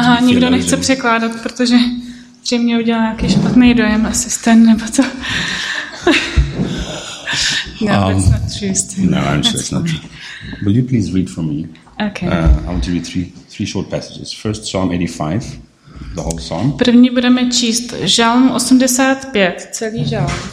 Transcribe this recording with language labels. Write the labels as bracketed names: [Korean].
[Czech] to be nikdo nechce překládat, protože zřejmě udělá nějaký špatný dojem, asi ten nebo to. [English] No, it's not true. Will you please read for me? Okay. I want to read three short passages. First, Psalm 85, the whole psalm. [Czech] První budeme číst Žalm 85, celý žalm.